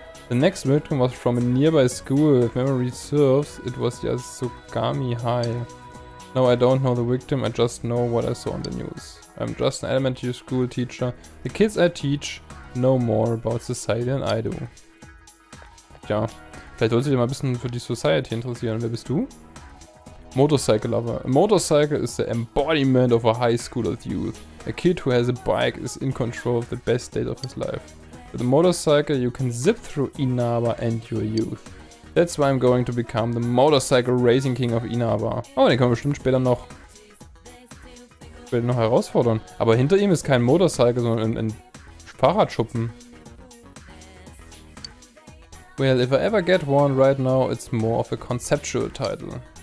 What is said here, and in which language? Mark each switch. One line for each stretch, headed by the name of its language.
English: The next victim was from a nearby school. If memory serves, it was Yasugami High. No, I don't know the victim, I just know what I saw on the news. I'm just an elementary school teacher. The kids I teach know more about society than I do.
German: Tja, vielleicht solltest du dich mal ein bisschen für die Society interessieren. Wer bist du?
English: Motorcycle Lover. A motorcycle is the embodiment of a high school of youth. A kid who has a bike is in control of the best days of his life. With a motorcycle you can zip through Inaba and your youth. That's why I'm going to become the Motorcycle Racing King of Inaba.
German: Oh, den können wir bestimmt später noch herausfordern. Aber hinter ihm ist kein Motorcycle, sondern ein Fahrradschuppen.
English: Well, if I ever get one right now, it's more of a conceptual title.